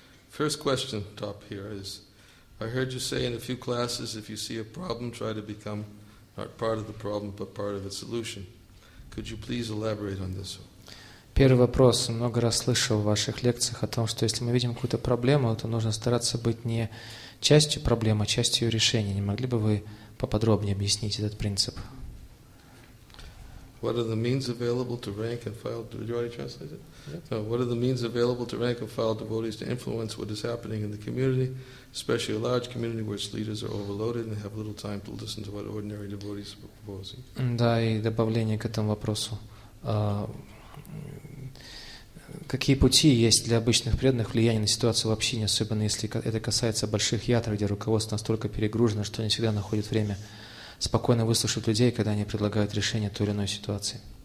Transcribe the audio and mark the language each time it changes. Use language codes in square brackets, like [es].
[en] First question top here is, I heard you say in a few classes, if you see a problem, try to become not part of the problem, but part of its solution. Could you please elaborate on this? [ru] Первый вопрос. Много раз слышал в ваших лекциях о том, что если мы видим какую-то проблему, то нужно стараться быть не частью проблемы, а частью ее решения. Не могли бы вы поподробнее объяснить этот принцип? [en] What are the means available to rank and file? Did you already translate it? No. What are the means available to rank and file devotees to influence what is happening in the community, especially a large community where its leaders are overloaded and have little time to listen to what ordinary devotees are proposing? [ru] Да, и добавление к этому вопросу. Какие пути есть для обычных преданных влияния на ситуацию в общине, особенно если это касается больших ятр, где руководство настолько перегружено, что не всегда находит время спокойно выслушать людей, когда они предлагают решение той или иной ситуации?